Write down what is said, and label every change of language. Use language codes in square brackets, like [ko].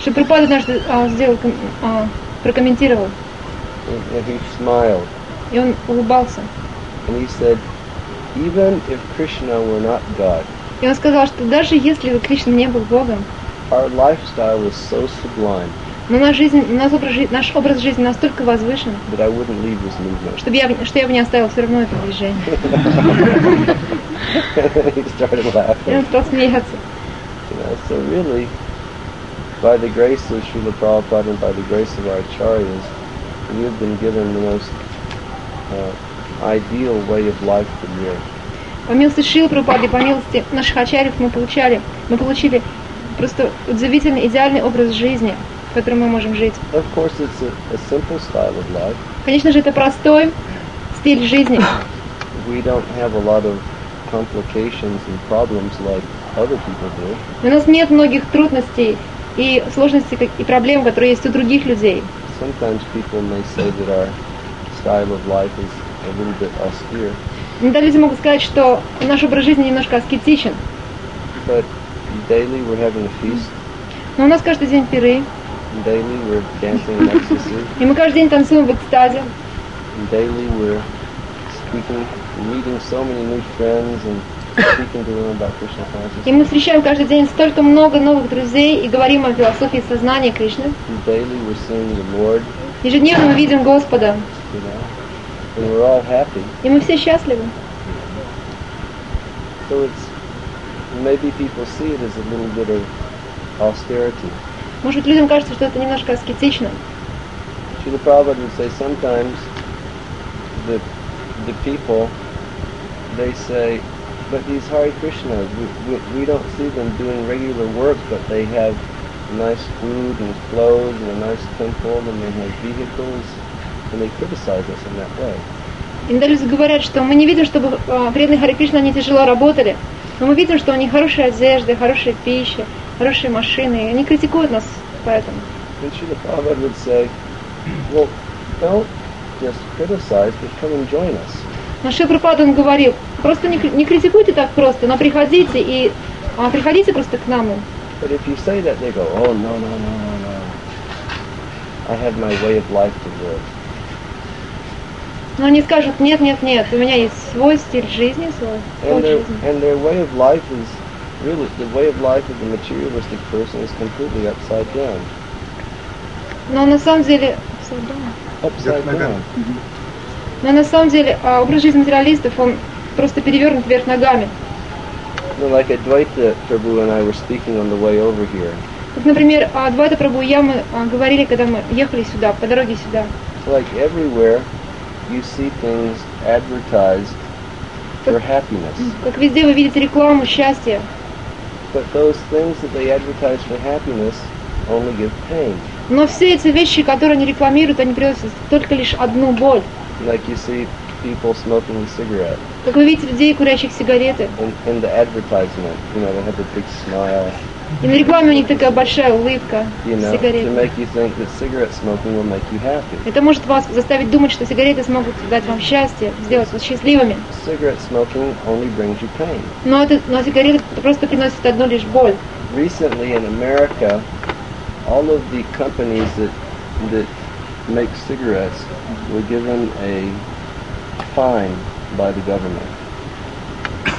[ru] Шрила Прабхупада однажды сделал, прокомментировал. [en] And he smiled. [ru] И он улыбался. [en] And he said, even if Krishna were not God. [ru] И он сказал, что даже если Кришна не был Богом. [en] Our lifestyle was so sublime. [ru] Но наш образ жизни настолько возвышен, [en] but I wouldn't leave this movement. [ru] Что я бы не оставил все равно это движение. [en] He started laughing. [ru] И он стал смеяться. [en] You know, so really, by the grace of Srila Prabhupada and by the grace of our acharyas, we have been given the most ideal way of life from here. [ru] По милости Шрилы Прабхупады, по милости наших ачарьев, мы получили просто удивительный, идеальный образ жизни, в котором мы можем жить. [en] Of course, it's a simple style of life. [ru] Конечно же, это простой стиль жизни. [en] We don't have a lot of complications and problems like other people do. [ru] У нас нет многих трудностей и сложностей и проблем, которые есть у других людей. [en] Sometimes people may say that our style of life is a little bit austere. [ru] Иногда люди могут сказать, что наш образ жизни немножко аскетичен. [en] But daily we're having a feast. [ru] Но у нас каждый день пиры. [en] Daily we're dancing in ecstasy. [ru] И мы каждый день танцуем в экстазе. [en] Daily we're speaking, meeting so many new friends and speaking to them about Krishna consciousness. [ru] И мы встречаем каждый день столько много новых друзей и говорим о философии сознания Кришны. [en] Daily we're seeing the Lord. [ru] Ежедневно мы видим Господа. [en] And we're all happy. [ru] И мы все счастливы. [en] So it's maybe people see it as a little bit of austerity. [ru] Может, людям кажется, что это немножко аскетично. [en] Шрила Прабхупада would say sometimes the people they say, but these Hare Krishnas, we don't see them doing regular work, but they have nice food and clothes and a nice temple and they have vehicles. And they criticize us in that way. [ru] Иногда люди говорят, что мы не видим, чтобы преданные Харе Кришна они тяжело работали, но мы видим, что у них хорошие одежды, хорошая пища, хорошие машины, и они критикуют нас поэтому. [en] And Srila Prabhupada would say, well, don't just criticize, but come and join us. [ru] Но Шрила Прабхупада он говорил, просто не критикуйте так просто, но приходите просто к нам. [en] But if you say that, they go, oh no no no no no, I have my way of life to live. [ru] Но они скажут, нет, у меня есть свой стиль жизни, свой путь жизни. [en] And their way of life is really, the way of life of the materialistic person is completely upside down. [ru] Но на самом деле... [en] Upside down. [ru] Но на самом деле, образ жизни материалистов, он просто перевернут вверх ногами. [en] Ну, like Advaita Prabhu and I were speaking on the way over here. [ru] Вот, например, Advaita Prabhu и я, мы говорили, когда мы ехали сюда, по дороге сюда. [en] Like everywhere... You see things advertised for happiness. [ru] Как везде вы видите рекламу счастья. [en] But those things that they advertise for happiness only give pain. [ru] Но все эти вещи, которые они рекламируют, они приносят только лишь одну боль. [en] Like you see people smoking a cigarette. [ru] Как вы видите людей, курящих сигареты. [en] In the advertisement, you know, they have a big smile. [ru] И на рекламе у них такая большая улыбка, [en] you know, [ru] сигареты. [en] To make you think that cigarette smoking will make you happy. [ru] Это может вас заставить думать, что сигареты смогут дать вам счастье, сделать вас счастливыми. [en] Cigarette smoking only brings you pain. [ru] Но сигареты просто приносят одну лишь боль. [en] Recently in America, all of the companies that make cigarettes were given a fine by the government.